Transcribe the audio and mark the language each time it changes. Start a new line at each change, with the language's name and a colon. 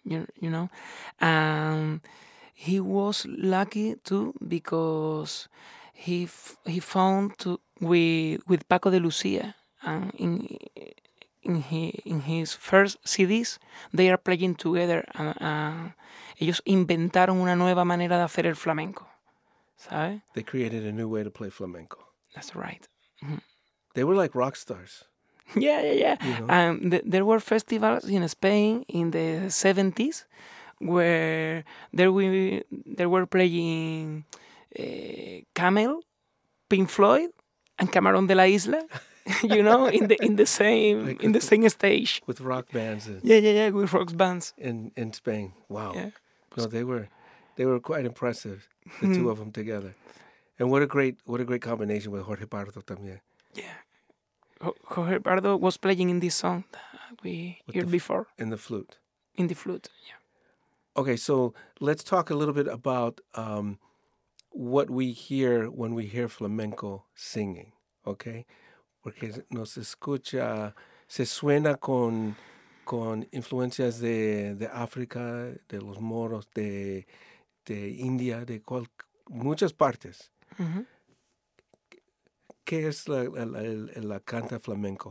English: You know, and he was lucky too because he found with Paco de Lucía and in his first CDs, they are playing together.
Spanish: Ellos inventaron una nueva manera de hacer el flamenco, ¿sabes?
English: They created a new way to play flamenco. That's right. They were like rock stars. Yeah, yeah, yeah. You know? And there were festivals in Spain in the 70s where they were playing Camel, Pink Floyd, and Camarón de la Isla. You know, in the same stage with rock bands. With rock bands in Spain. Wow. Yeah. No, they were quite impressive, the two of them together. And what a great combination with Jorge Pardo también. Yeah. Jorge Pardo was playing in this song that we heard before. In the flute. In the flute, yeah. Okay, so let's talk a little bit about what we hear when we hear flamenco singing, okay?
Spanish: Porque nos escucha, se suena con influencias de África, de los moros, de India, de muchas partes. Mm-hmm. ¿Qué es la canta flamenco?